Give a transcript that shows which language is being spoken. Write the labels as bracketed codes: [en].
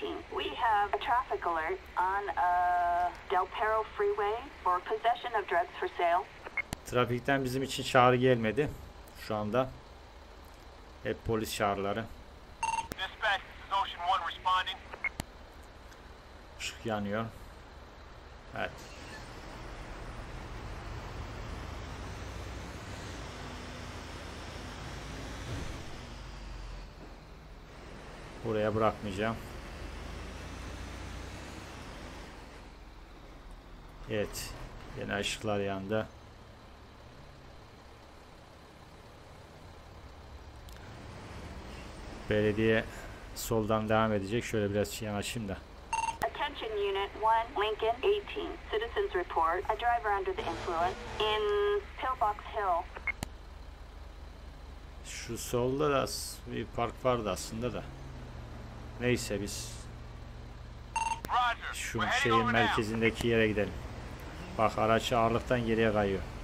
[en] We have a traffic alert on a Del Perro freeway for possession of drugs for sale. [tr] Trafikten bizim için çağrı gelmedi şu anda. Hep polis çağrıları. [en] Dispatch, this is Ocean 1 responding. [tr] Işık yanıyor. Evet. Buraya bırakmayacağım. Evet. Yine ışıklar yandı. Belediye soldan devam edecek. Şöyle biraz yanaşayım da. [en] Attention unit 1, Lincoln 18. Citizens report. A driver under the influence in Pillbox Hill. [tr] Şu solda da bir park vardı aslında da. Neyse biz şu şehir merkezindeki yere gidelim. Bak araç ağırlıktan geriye kayıyor.